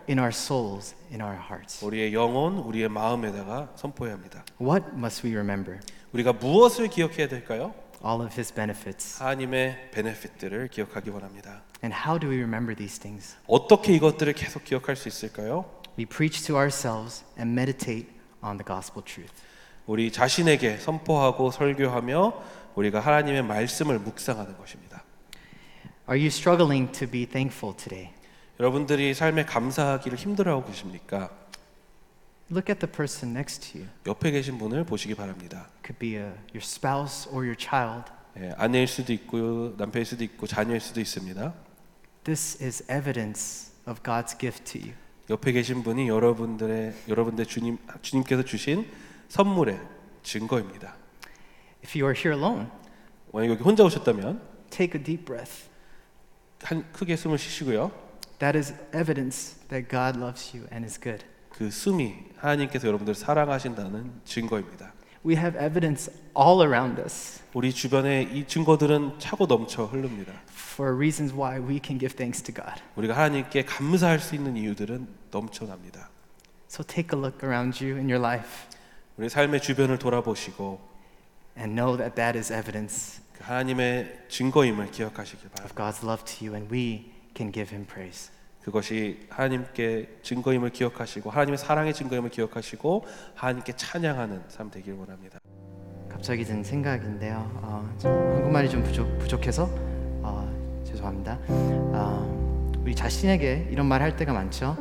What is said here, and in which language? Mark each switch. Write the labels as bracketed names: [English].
[English] In our souls, in our hearts. [Korean] 우리의 영혼, 우리의 마음에다가 선포해야 합니다. [English] What must we remember? [Korean] 우리가 무엇을 기억해야 될까요? [English] All of his benefits. [Korean] 하나님의 베네핏들을 기억하기 원합니다. [English] And how do we remember these things? [Korean] 어떻게 이것들을 계속 기억할 수 있을까요? [English] We preach to ourselves and meditate on the gospel truth. [Korean] 우리 자신에게 선포하고 설교하며 우리가 하나님의 말씀을 묵상하는 것입니다. [English] Are you struggling to be thankful today? [Korean] 여러분들이 삶에 감사하기를 힘들어하고 계십니까? [English] Look at the person next to you. [Korean] 옆에 계신 분을 보시기 바랍니다. [English] Could be your spouse or your child. [Korean] 예, 아내일 수도 있고 남편일 수도 있고 자녀일 수도 있습니다. [English] This is evidence of God's gift to you. [Korean] 옆에 계신 분이 여러분들 주님께서 주신 선물의 증거입니다. [English] If you are here alone, [Korean] 만약 여기 혼자 오셨다면, [English] take a deep breath. [Korean] 크게 숨을 쉬시고요. [English] That is evidence that God loves you and is good. [Korean] 그 숨이 하나님께서 여러분들 사랑하신다는 증거입니다. [English] We have evidence all around us. [Korean] 우리 주변에 이 증거들은 차고 넘쳐 흐릅니다. [English] For reasons why we can give thanks to God. [Korean] 우리가 하나님께 감사할 수 있는 이유들은 넘쳐납니다. [English] So take a look around you in your life. [Korean] 우리 삶의 주변을 돌아보시고 [English] and know that that is evidence. [Korean] 하나님의 증거임을 기억하시길 바랍니다. [English] Of God's love to you and we can give him praise. [Korean] 그것이 하나님께 증거임을 기억하시고 하나님의 사랑의 증거임을 기억하시고 하나님께 찬양하는 삶 되길 원합니다. 갑자기 든 생각인데요. 한국말이 좀 부족해서 죄송합니다. 우리 자신에게 이런 말 할 때가 많죠.